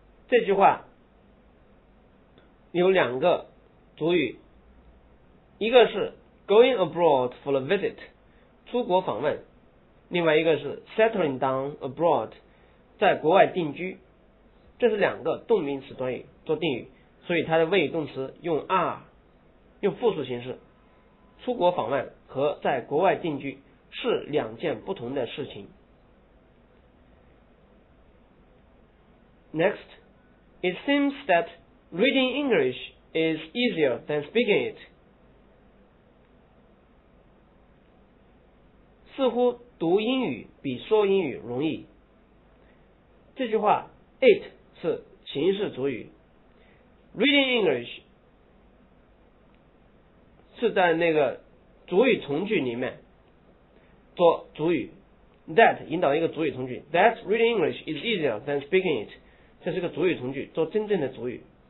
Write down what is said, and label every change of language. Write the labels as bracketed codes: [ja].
[zh] 这句话有两个主语，一个是 [en] going abroad for a visit， [zh] 出国访问，另外一个是 [en] settling down abroad， [zh] 在国外定居。这是两个动名词短语做定语，所以它的谓语动词用 are， 用复数形式。出国访问和在国外定居是两件不同的事情。 [en] Next， It seems that reading EnglishIs easier than speaking it。 [zh] 似乎读英语比说英语容易。这句话 it 是形式主语， reading English 是在那个主语从句里面做主语， that 引导一个主语从句， [en] that reading English is easier than speaking it， [zh] 这是个主语从句，做真正的主语。